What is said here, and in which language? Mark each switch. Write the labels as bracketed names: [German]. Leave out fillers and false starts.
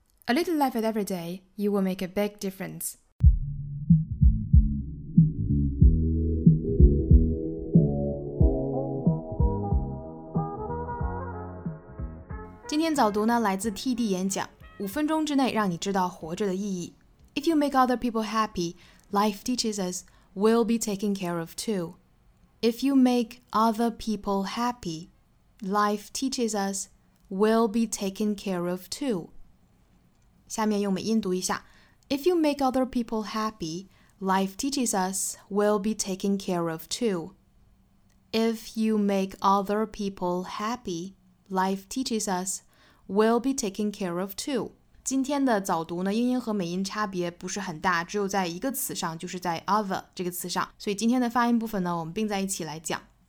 [English] A little effort every day, you will make a big difference. [Chinese] 今天早读呢来自 TD 演讲，五分钟之内让你知道活着的意义。 [English] If you make other people happy, life teaches us we'll be taken care of too. If you make other people happy,Life teaches us we'll be taken care of too. [Chinese] 下面用美音读一下。 [English] If you make other people happy, life teaches us we'll be taken care of too. If you make other people happy, life teaches us we'll be taken care of too. [Chinese] 今天的早读呢，英音和美音差别不是很大，只有在一个词上，就是在 other 这个词上。所以今天的发音部分呢，我们并在一起来讲。